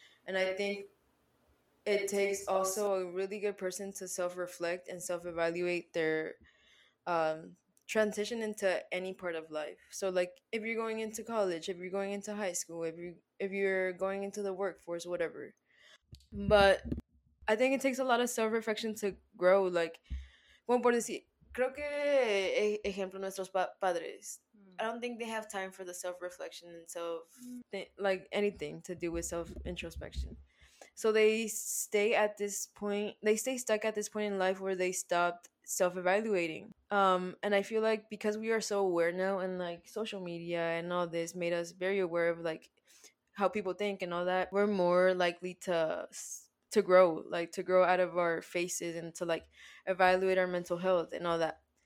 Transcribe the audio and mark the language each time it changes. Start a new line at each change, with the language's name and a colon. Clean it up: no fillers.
English: And I think it takes also a really good person to self-reflect and self-evaluate their transition into any part of life. So, like, if you're going into college, if you're going into high school, if you're going into the workforce, whatever. But I think it takes a lot of self-reflection to grow.
Spanish: Like, one por decir, creo que, ejemplo, nuestros padres.
English: I don't think they have time for the self-reflection and anything to do with self-introspection. So they stay stuck at this point in life where they stopped self-evaluating. And I feel like because we are so aware now and, like, social media and all this made us very aware of, like, how people think and all that, we're more likely to grow out of our faces and to, like, evaluate our mental health and all that.